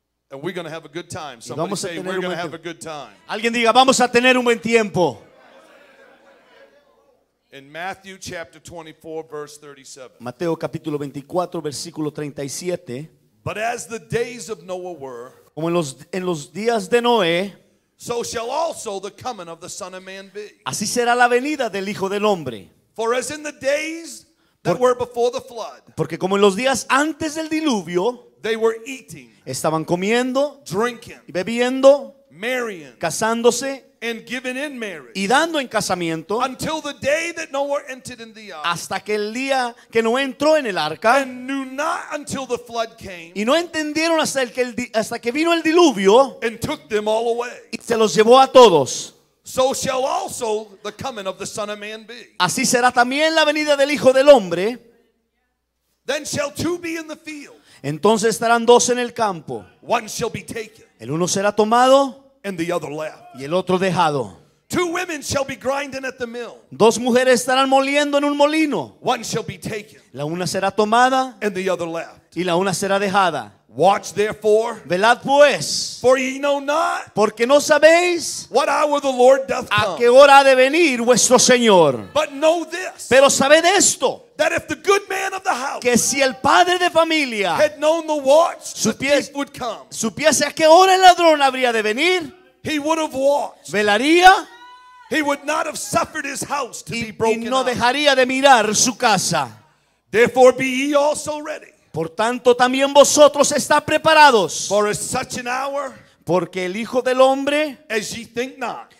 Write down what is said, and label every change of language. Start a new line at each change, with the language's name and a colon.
English: And we're going to have a good time. Somebody say we're going to have a good time.
Spanish: Alguien diga, vamos a tener un buen tiempo.
English: In Matthew chapter 24, verse 37.
Spanish: Mateo capítulo 24, versículo 37.
English: But as the days of Noah were,
Spanish: como en los días de Noé,
English: so shall also the coming of the Son of Man be.
Spanish: Así será la venida del Hijo del Hombre.
English: For as in the days that were before the flood,
Spanish: porque como en los días antes del diluvio,
English: they were eating,
Spanish: estaban comiendo,
English: drinking,
Spanish: bebiendo,
English: marrying,
Spanish: casándose,
English: and giving in marriage,
Spanish: y dando en casamiento,
English: until the day that Noah entered in the ark,
Spanish: hasta que el día que Noé entró en el arca,
English: and knew not until the flood came,
Spanish: y no entendieron hasta que vino el diluvio,
English: and took them all away,
Spanish: y se los llevó a todos.
English: So shall also the coming of the Son of Man be.
Spanish: Así será también la venida del Hijo del Hombre.
English: Then shall two be in the field.
Spanish: Entonces estarán dos en el campo.
English: One shall be taken.
Spanish: El uno será tomado.
English: And the other left.
Spanish: Y el otro dejado.
English: Two women shall be grinding at the mill.
Spanish: Dos mujeres estarán moliendo en un molino.
English: One shall be taken.
Spanish: La una será tomada.
English: And the other left.
Spanish: Y la una será dejada.
English: Watch therefore.
Spanish: Velad pues.
English: For ye know not.
Spanish: Porque no sabéis.
English: What hour the Lord doth come.
Spanish: A qué hora ha de venir vuestro Señor.
English: But know this.
Spanish: Pero sabed esto.
English: That if the good man of the house.
Spanish: Que si el padre de familia.
English: Had known the watch.
Spanish: Supiese,
English: the thief would come.
Spanish: Supiese a qué hora el ladrón habría de venir.
English: He would have watched.
Spanish: Velaría.
English: He would not have suffered his house to
Spanish: y,
English: be broken.
Spanish: Y no dejaría de mirar su casa.
English: Therefore be ye also ready.
Spanish: Por tanto, también vosotros está preparados.
English: For as such an hour,
Spanish: porque el Hijo del Hombre
English: as ye think not,